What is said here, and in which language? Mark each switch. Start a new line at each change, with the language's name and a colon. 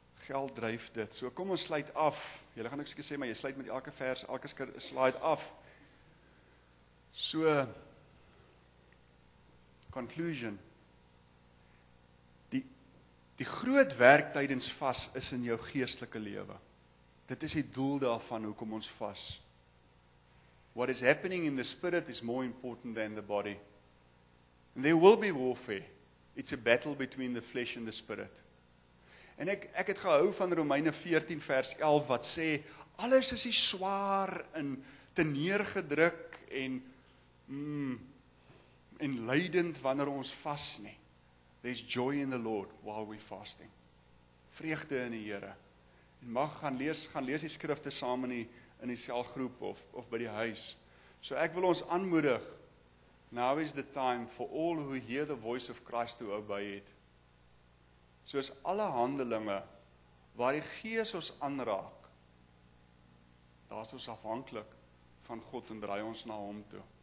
Afrikaans: geld dryf dit. So kom ons sluit af. Jy gaan niks sê, maar jy sluit met elke vers, elke slide af.
English: So, conclusion.
Afrikaans: Die groot werk tydens vas is in jou geestelike lewe. Dit is die doel daarvan, hoekom ons vas.
English: What is happening in the spirit is more important than the body. And there will be warfare. It's a battle between the flesh and the spirit.
Afrikaans: En ek het gehou van Romeine 14 vers 11 wat sê, alles is die swaar en te neergedruk en lydend wanneer ons vas nie.
English: There's joy in the Lord while we fasting.
Afrikaans: Vreugde in die Here. En mag gaan lees die skrifte saam in die selgroep of by die huis. So ek wil ons aanmoedig,
English: now is the time for all who hear the voice of Christ to obey it.
Afrikaans: Soos alle handelinge waar die Gees ons aanraak, daar is ons afhanklik van God en draai ons na hom toe.